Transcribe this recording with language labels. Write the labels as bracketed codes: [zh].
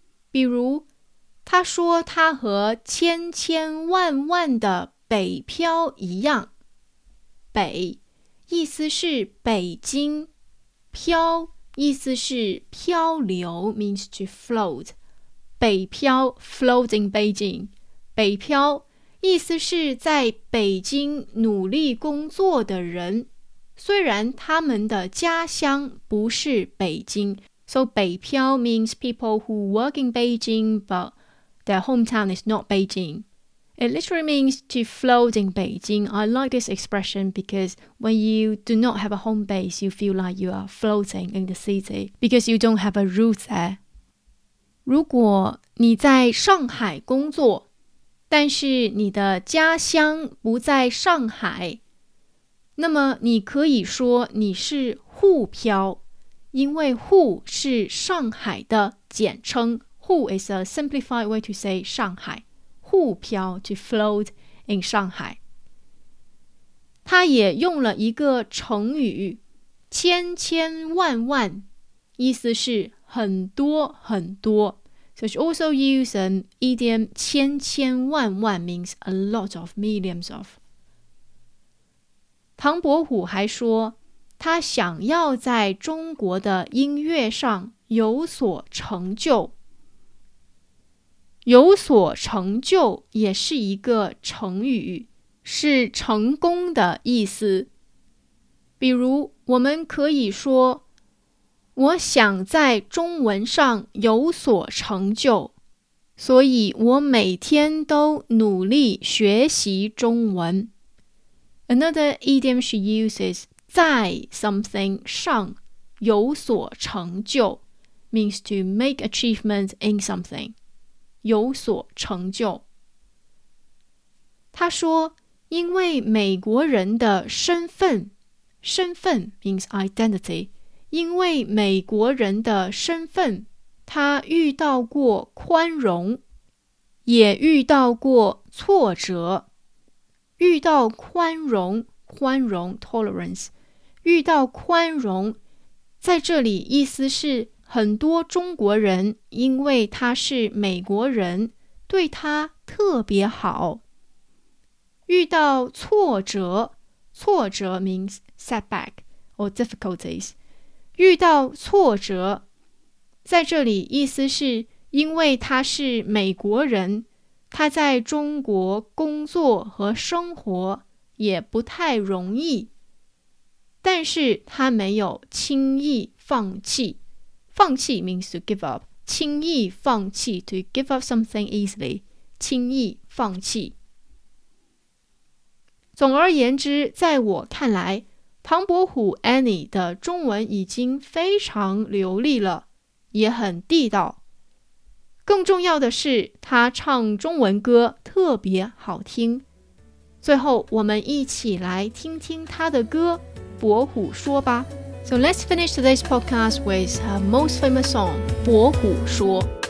[zh] 比如他说他和千千万万的北漂一样，北意思是北京，漂意思是漂流， [en] means to float。 [zh] 北漂 [en] float in Beijing, [zh] 北漂意思是在北京努力工作的人，虽然他们的家乡不是北京。 [en] So 北漂 means people who work in Beijing, but their hometown is not Beijing. It literally means to float in Beijing. I like this expression because when you do not have a home base, you feel like you are floating in the city because you don't have a root there. [zh] 如果你在上海工作，但是你的家乡不在上海，那么你可以说你是沪漂，因为沪是上海的简称， [en] 沪 is a simplified way to say 上海。 沪漂 to float in 上海。 [zh] 他也用了一个成语千千万万，意思是很多很多。 [en] So she also used an idiom 千千万万 means a lot of, millions of. [zh] 唐伯虎还说他想要在中国的音乐上有所成就。有所成就也是一个成语，是成功的意思。比如我们可以说我想在中文上有所成就，所以我每天都努力学习中文。 [en] Another idiom she uses 在 something 上 [zh] 有所成就 [en] means to make achievement in something 有所成就。 [zh] 她说因为美国人的身份，身份 [en] means identity， [zh] 因为美国人的身份，他遇到过宽容，也遇到过挫折。遇到宽容，宽容 tolerance， 遇到宽容，在这里意思是很多中国人因为他是美国人，对他特别好。遇到挫折，挫折 [en] means setback or difficulties. [zh] 遇到挫折，在这里意思是因为他是美国人，他在中国工作和生活也不太容易，但是他没有轻易放弃。 [en] 放弃 means to give up. [zh] 轻易放弃 [en] to give up something easily. [zh] 轻易放弃。总而言之，在我看来，唐伯虎 Annie 的中文已经非常流利了，也很地道。更重要的是，他唱中文歌特别好听。最后，我们一起来听听他的歌《伯虎说》吧。 [en] So let's finish today's podcast with her most famous song《伯虎说》。